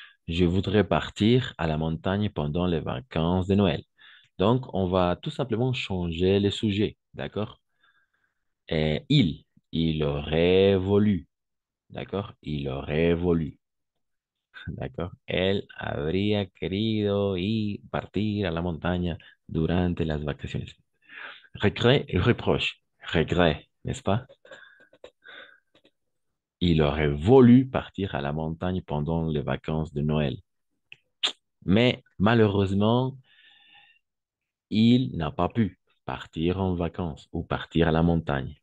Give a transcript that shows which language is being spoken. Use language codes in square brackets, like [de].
[fr] Je voudrais partir à la montagne pendant les vacances de Noël. Donc, on va tout simplement changer le sujet, d'accord? Et il aurait voulu, d'accord? Il aurait voulu, d'accord? Elle [es] habría querido y partir a la montaña durante las vacaciones. [fr] Regret, reproche, regret, n'est-ce pas? Il aurait voulu partir à la montagne pendant les vacances de Noël. Mais malheureusement, il n'a pas pu partir en vacances ou partir à la montagne.